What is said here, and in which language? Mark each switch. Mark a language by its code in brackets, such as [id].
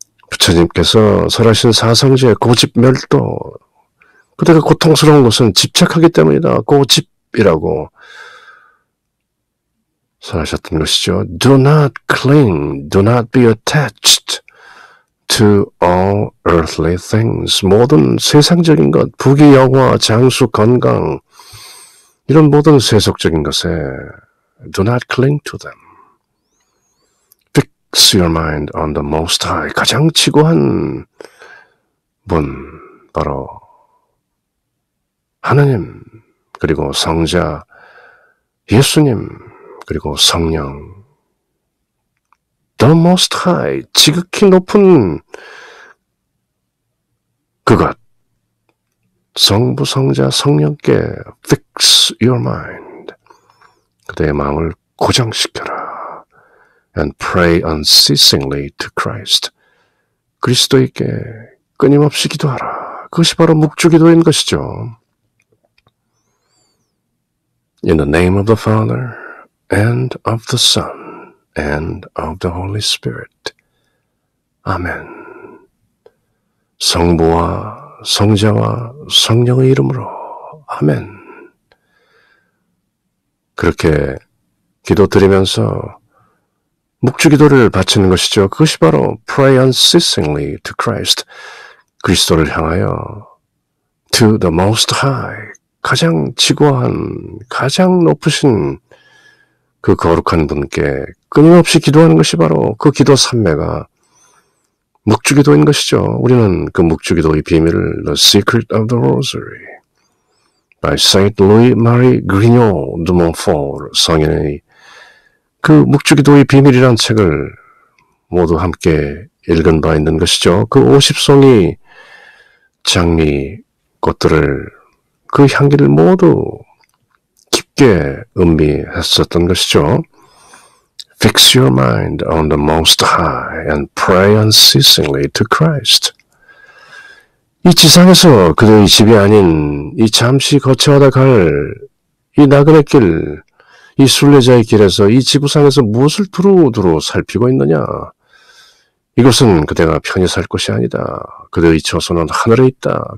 [ko] 부처님께서 설하신 사성제 고집멸도 그대가 고통스러운 것은 집착하기 때문이다. 고집이라고 설하셨던 것이죠. [en] Do not cling, do not be attached to all earthly things. [ko] 모든 세상적인 것, 부귀, 영화, 장수, 건강, 이런 모든 세속적인 것에 [en] Do not cling to them. Fix your mind on the Most High. [ko] 가장 지고한 분, 바로 하느님, 그리고 성자 예수님, 그리고 성령. [en] The Most High, [ko] 지극히 높은 그것. 성부, 성자, 성령께 [en] fix your mind. [ko] 그대의 마음을 고정시켜라. [en] And pray unceasingly to Christ. [ko] 그리스도에게 끊임없이 기도하라. 그것이 바로 묵주기도인 것이죠. [en] In the name of the Father, and of the Son, and of the Holy Spirit. Amen. [ko] 성부와 성자와 성령의 이름으로 아멘. 그렇게 기도 드리면서 묵주기도를 바치는 것이죠. 그것이 바로 [en] pray unceasingly to Christ, [ko] 그리스도를 향하여, [en] to the Most High, [ko] 가장 지고한, 가장 높으신 그 거룩한 분께 끊임없이 기도하는 것이 바로 그 기도 삼매가 묵주기도인 것이죠. 우리는 그 묵주기도의 비밀을 The Secret of the Rosary by Saint Louis-Marie Grignion de Montfort 성인의 그 묵주기도의 비밀이란 책을 모두 함께 읽은 바 있는 것이죠. 그 50송이 장미 꽃들을 그 향기를 모두 깊게 음미했었던 것이죠. [en] Fix your mind on the Most High and pray unceasingly to Christ. [ko] 이 지상에서 그대의 집이 아닌 이 잠시 거쳐하다 갈 이 나그네 길, 이 순례자의 길에서 이 지구상에서 무엇을 두루두루 살피고 있느냐? 이것은 그대가 편히 살 곳이 아니다. 그대의 처소는 하늘에 있다.